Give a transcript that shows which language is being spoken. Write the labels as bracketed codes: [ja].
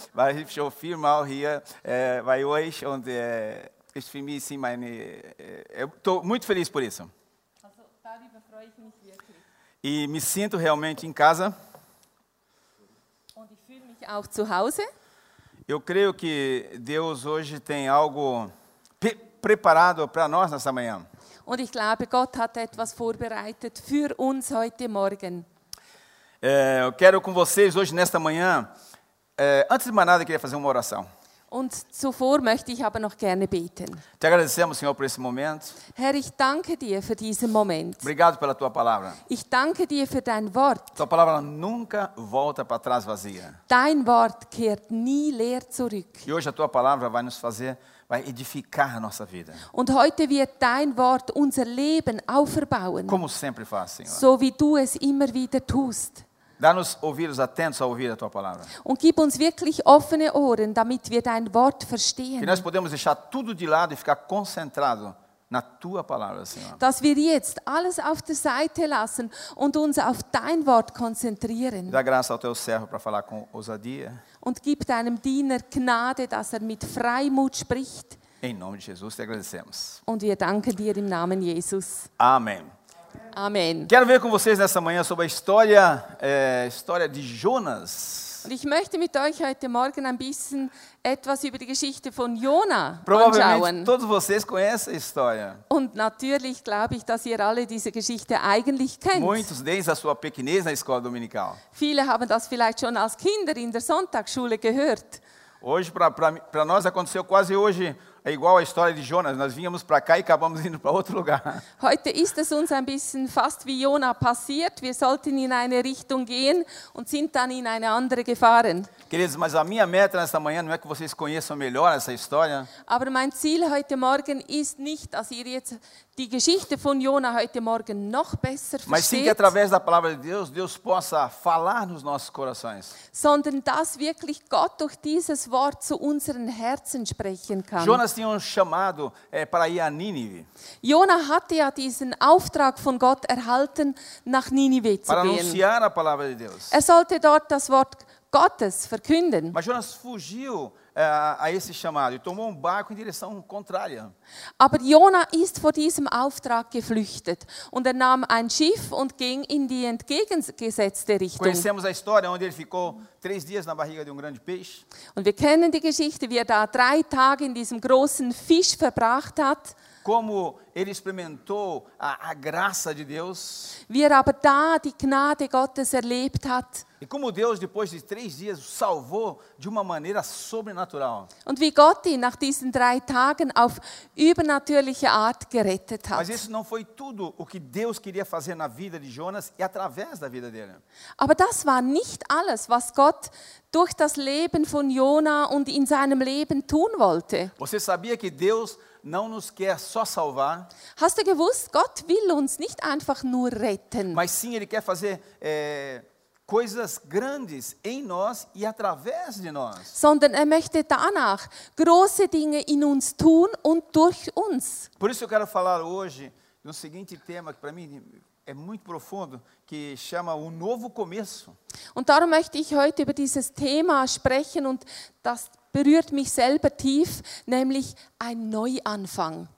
[de] Weil ich schon viermal hier bei euch und ich fühle mich sind meine. [pt] Muito feliz por isso. [de] Also, darüber freue ich mich wirklich. [pt] Ich me sinto realmente in casa. [de] Und ich fühle mich auch zu Hause. [pt] Eu creio que Deus hoje tem algo preparado para nós nessa manhã. [de] Und ich glaube, Gott hat etwas vorbereitet für uns heute Morgen. [pt] Eu quero com vocês hoje nesta manhã. Antes de mais nada, eu queria fazer uma oração. [de] Und zuvor möchte ich aber noch gerne beten. [pt] Te agradecemos, Senhor, por esse momento. [de] Herr, ich danke dir für diesen Moment. [pt] Obrigado pela tua palavra. [de] Ich danke dir für dein Wort. [pt] Tua palavra nunca volta para trás vazia. [de] Dein Wort kehrt nie leer zurück. [pt] E hoje a tua palavra vai nos fazer, vai edificar a nossa vida. [de] Und heute wird dein Wort unser Leben auferbauen. [pt] Como sempre faz, Senhor. [de] So wie du es immer wieder tust. [pt] Dá-nos ouvidos atentos a ouvir a tua palavra. [de] Und gib uns wirklich offene Ohren, damit wir dein Wort verstehen. [pt] Que nós podemos deixar tudo de lado e ficar concentrado na tua palavra, Senhor. [de] Dass wir jetzt alles auf der Seite lassen und uns auf dein Wort konzentrieren. [pt] Dá graça ao teu servo para falar com ousadia. [de] Und gib deinem Diener Gnade, dass mit Freimut spricht. [pt] Em nome de Jesus te agradecemos. [de] Und wir danken dir im Namen Jesus. [pt] Amém. [de] Amen. [pt] Quero ver com vocês nessa manhã sobre a história, história de Jonas. [de] Und ich möchte mit euch heute Morgen ein bisschen etwas über die Geschichte von Jona anschauen. [pt] Provavelmente todos vocês conhecem a história. [de] Und natürlich glaube ich, dass ihr alle diese Geschichte eigentlich kennt. [pt] Muitos desde a sua pequenez na escola dominical. [de] Viele haben das vielleicht schon als Kinder in der Sonntagsschule gehört. [pt] Hoje para nós aconteceu quase hoje. É igual a história de Jonas, nós vínhamos para cá e acabamos indo para outro lugar. [de] Heute ist es uns ein bisschen fast wie Jona passiert. Wir sollten in eine Richtung gehen und sind dann in eine andere gefahren. [pt] Queridos, mas a minha meta nesta manhã não é que vocês conheçam melhor essa história. [de] Aber mein Ziel heute Morgen ist nicht, dass ihr jetzt die Geschichte von Jona heute Morgen noch besser versteht. [pt] Mas sim que através da palavra de Deus, Deus possa falar nos nossos corações. [de] Sondern dass wirklich Gott durch dieses Wort zu unseren Herzen sprechen kann. [pt] Jonas tinha um chamado para ir a Nínive. [de] Jona hatte ja diesen Auftrag von Gott erhalten, nach Nínive zu gehen. [pt] Para anunciar a palavra de Deus. [de] Er sollte dort das Wort Gottes verkünden. [pt] Mas Jonas fugiu a esse chamado e tomou barco em direção contrária. [de] Aber Jona ist vor diesem Auftrag geflüchtet und nahm ein Schiff und ging in die entgegengesetzte Richtung. [pt] Conhecemos a história onde ele ficou 3 dias na barriga de um grande peixe. [de] Und wir kennen die Geschichte, wie da 3 Tage in diesem großen Fisch verbracht hat. [pt] Como ele experimentou a graça de Deus. [de] Wie aber da die Gnade Gottes erlebt hat. [pt] E como Deus depois de 3 dias o salvou de uma maneira sobrenatural. [de] Und wie Gott ihn nach diesen 3 Tagen auf übernatürliche Art gerettet hat. [pt] Mas isso não foi tudo o que Deus queria fazer na vida de Jonas e através da vida dele. [de] Aber das war nicht alles, was Gott durch das Leben von Jona und in seinem Leben tun wollte. [pt] Você sabia que Deus não nos quer só salvar? [de] Hast du gewusst, Gott will uns nicht einfach nur retten. [pt] Mas sim, ele quer fazer coisas grandes em nós e através de nós. [de] Sondern er möchte danach große Dinge in uns tun und durch uns. [pt] Por isso eu quero falar hoje de um seguinte tema que para mim é muito profundo, que chama o novo começo. [de] Und darum möchte ich heute über dieses Thema sprechen und das berührt mich selber tief, nämlich ein Neuanfang.